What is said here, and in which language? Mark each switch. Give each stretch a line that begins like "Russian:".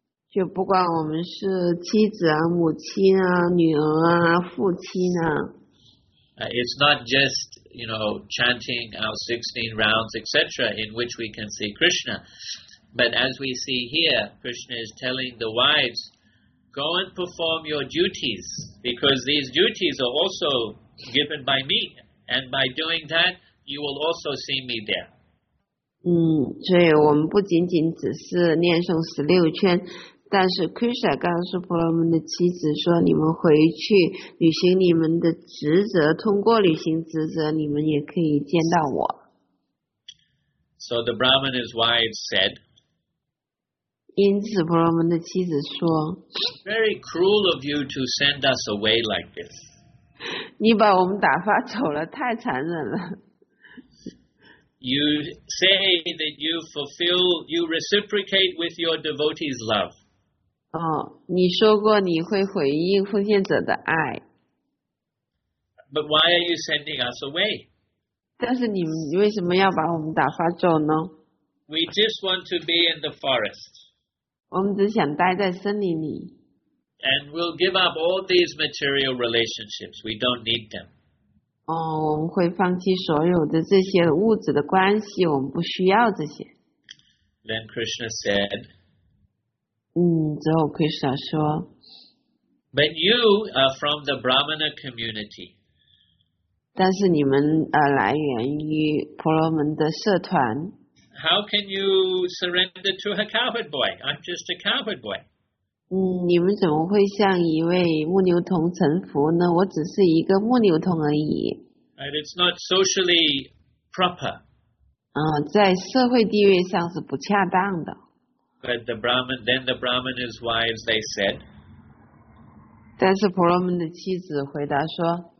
Chinese: 就不管我们是妻子啊、母亲啊、女儿啊、父亲啊
English: it's not just, you know, chanting our 16 rounds, etc., in which we can see Krishna. But as we see here, Krishna is telling the wives, go and perform your duties, because these duties are also given by me. And by doing that, you will also see me there.
Chinese: 所以我们不仅仅只是念诵十六圈，但是 Krishna 告诉婆罗门的妻子说，你们回去履行你们的职责，通过履行职责，你们也可以见到我。
English: So the Brahmana's wives said,
Chinese: 因此婆罗门的妻子说
English: Very cruel of you to send us away like this.
Chinese: 你把我们打发走了太残忍了。
English: You say that you fulfill, you reciprocate with your devotee's love.
Chinese: 你说过你会回应奉献者的爱。
English: But why are you sending us away?
Chinese: 但是你为什么要把我们打发走呢?
English: We just want to be in the forest.
Chinese: 我们只想待在森林里。
English: And we'll give up all these material relationships. We don't need them.
Chinese: 我们会放弃所有的这些物质的关系，我们不需要这些。
English: Then Krishna said,
Chinese: 之后 Krishna 说,
English: But you are from the Brahmana community.
Chinese: 但是你们来源于婆罗门的社团。
English: How can you surrender to a cowherd boy? I'm just a cowherd boy.
Chinese: 你们怎么会向一位牧牛童臣服呢？我只是一个牧牛童而已。
English: And it's not socially proper.
Chinese: 在社会地位上是不恰当的。
English: But the Brahman, then the Brahmana's wives, they said.
Chinese: 但是婆罗门的妻子回答说。